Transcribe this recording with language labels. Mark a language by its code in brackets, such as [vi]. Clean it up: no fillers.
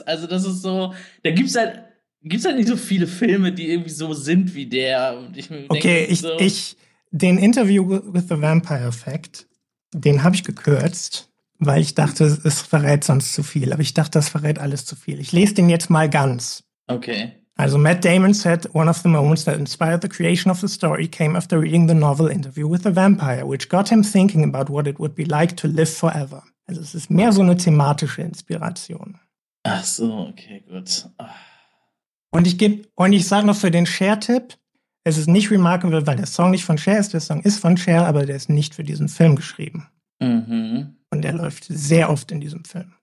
[de] Also das ist so, da gibt's halt nicht so viele Filme, die irgendwie so sind wie der. Und ich okay, denke, ich, so. Ich, den Interview with the Vampire Fact, den habe ich gekürzt. Weil ich dachte, es verrät sonst zu viel. Aber ich dachte, das verrät alles zu viel. Ich lese den jetzt mal ganz. Okay. [en] Also Matt Damon said, one of the moments that inspired the creation of the story came after reading the novel Interview with the Vampire, which got him thinking about what it would be like to live forever. [de] Also es ist mehr so eine thematische Inspiration. Ach so, okay, gut. Und ich sage noch für den Cher-Tipp, es ist nicht remarkable, weil der Song nicht von Cher ist. Der Song ist von Cher, aber der ist nicht für diesen Film geschrieben. Mhm. Und der läuft sehr oft in diesem Film.